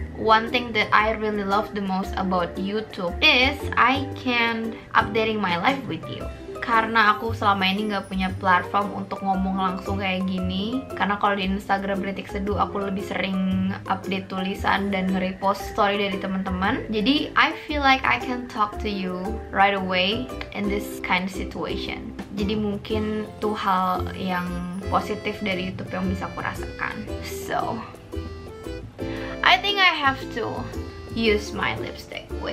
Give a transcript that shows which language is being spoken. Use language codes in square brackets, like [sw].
[en] One thing that I really love the most about YouTube is I can updating my life with you. [id] Karena aku selama ini gak punya platform untuk ngomong langsung kayak gini. Karena kalau di Instagram Retik Seduh, aku lebih sering update tulisan dan nge-repost story dari teman-teman. [en] Jadi I feel like I can talk to you right away in this kind of situation. [id] Jadi mungkin tuh hal yang positif dari YouTube yang bisa aku rasakan. [en] So I think I have to use my lipstick.